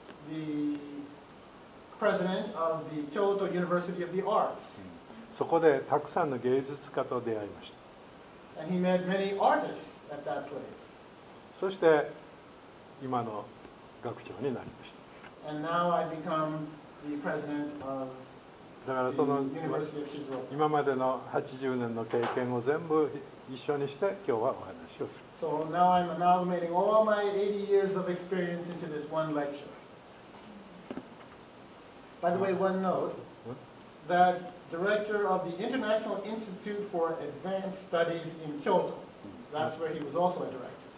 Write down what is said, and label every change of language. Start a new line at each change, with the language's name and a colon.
English: The president of the Kyoto University of the Arts.
Japanese: そこでたくさんの芸術家と出会いました。
English: And he met many artists at that place.
Japanese: そして今の学長になりました。
English: And now I become the president of the University of Shizuoka.
Japanese: 今までの80年の経験を全部一緒にして今日はお話をする。
English: So now I'm amalgamating all my 80 years of experience into this one lecture. By the way, one note, that director of the International Institute for Advanced Studies in Kyoto, that's where he was also a director.